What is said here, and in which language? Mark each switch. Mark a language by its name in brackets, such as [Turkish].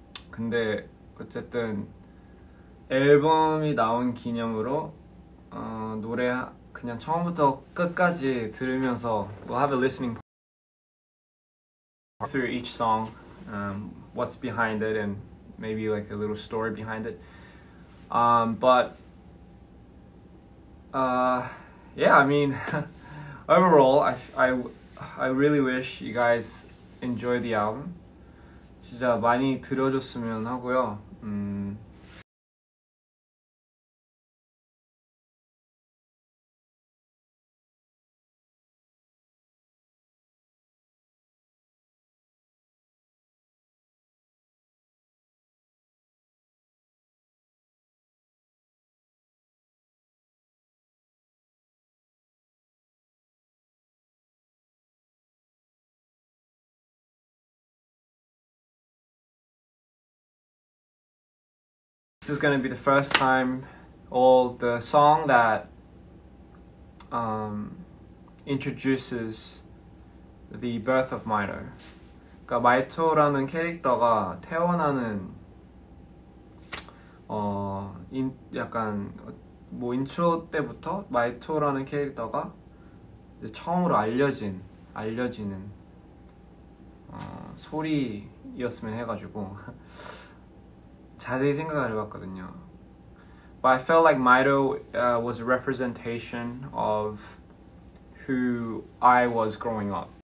[Korean] 근데 어쨌든 앨범이 나온 기념으로 노래 그냥 처음부터 끝까지 들으면서 [English] we'll have a listening through each song, what's behind it, and maybe like a little story behind it. But overall, I really wish you guys enjoy the album. [Korean] 진짜 많이 들어줬으면 하고요. [English] This is going to be the first time all the song that introduces the birth of Maito. [Korean] 그러니까 마이토라는 캐릭터가 태어나는 인트로 때부터 마이토라는 캐릭터가 이제 처음으로 알려지는 소리였으면 해가지고 자세히 생각을 해봤거든요. [English] But I felt like Maito was a representation of who I was growing up.